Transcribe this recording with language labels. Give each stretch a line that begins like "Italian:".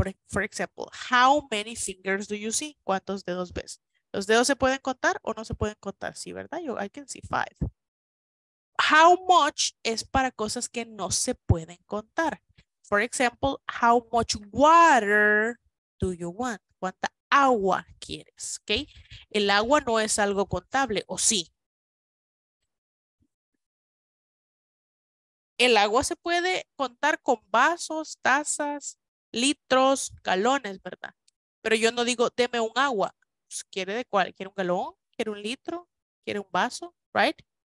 English: For example, how many fingers do you see?
Spanish: ¿Cuántos dedos ves? ¿Los dedos se pueden contar o no se pueden contar? Sí, ¿verdad? Yo,
English: I can see five. How much
Spanish: es para cosas que no se pueden contar.
English: For example, how much water do you want?
Spanish: ¿Cuánta agua quieres? ¿Okay? El agua no es algo contable, ¿o sí? El agua se puede contar con vasos, tazas, litros, galones, ¿verdad? Pero yo no digo, deme un agua. ¿Quiere de cuál? ¿Quiere un galón? ¿Quiere un litro? ¿Quiere un vaso?
English: Right?